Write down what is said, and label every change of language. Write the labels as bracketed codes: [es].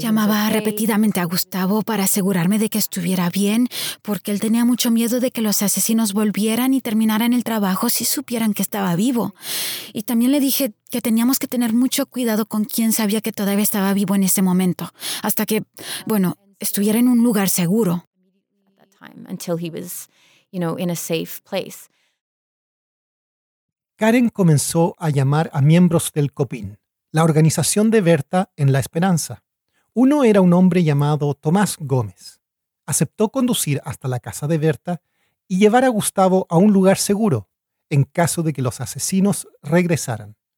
[es] Llamaba repetidamente a Gustavo para asegurarme de que estuviera bien, porque él tenía mucho miedo de que los asesinos volvieran y terminaran el trabajo si supieran que estaba vivo. Y también le dije que teníamos que tener mucho cuidado con quién sabía que todavía estaba vivo en ese momento, hasta que, bueno, estuviera en un lugar seguro. [en] Until he was, you know, in a safe place. [es] Karen comenzó a llamar a miembros del COPIN, la organización de Berta en La Esperanza. Uno era un hombre llamado Tomás Gómez. Aceptó conducir hasta la casa de Berta y llevar a Gustavo a un lugar seguro en caso de que los asesinos regresaran.